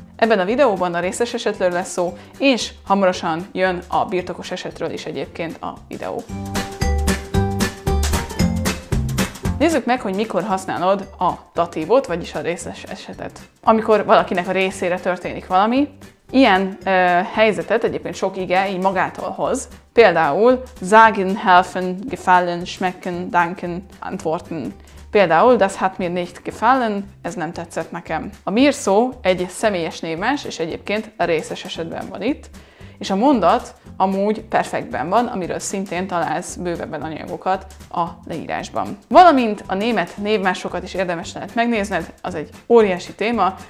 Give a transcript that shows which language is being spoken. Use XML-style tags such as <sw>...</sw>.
<hu>Ebben a videóban a részes esetről lesz szó, és hamarosan jön a birtokos esetről is egyébként a videó. Nézzük meg, hogy mikor használod a datívot, vagyis a részes esetet. Amikor valakinek a részére történik valami, ilyen helyzetet egyébként sok ige így magától hoz. Például sagen, helfen, gefallen, schmecken, danken, antworten. Például</hu> <de>das hat mir nicht gefallen,</de> <hu>ez nem tetszett nekem. A mir szó egy személyes némes, és egyébként a részes esetben van itt. És a mondat amúgy perfektben van, amiről szintén találsz bővebben anyagokat a leírásban. Valamint a német névmásokat is érdemes lehet megnézned, az egy óriási téma.</hu>